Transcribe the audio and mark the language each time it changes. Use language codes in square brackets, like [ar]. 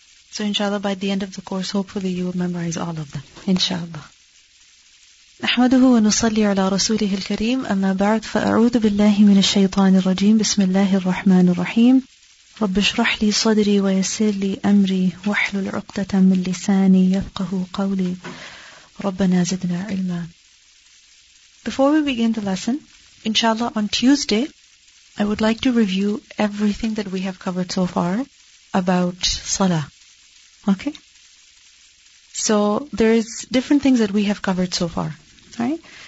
[en] So inshallah by the end of the course, hopefully you will memorize all of them. Inshallah. [ar] نحمده ونصلي على رسوله الكريم أما بعد فأعوذ بالله من الشيطان الرجيم بسم الله الرحمن الرحيم رب اشرح لي صدري ويسر لي أمري واحلل عقدة من لساني يفقه قولي ربنا زدنا علما. [en] Before we begin the lesson, inshallah on Tuesday, I would like to review everything that we have covered so far about Salah. Okay? So there is different things that we have covered so far, right?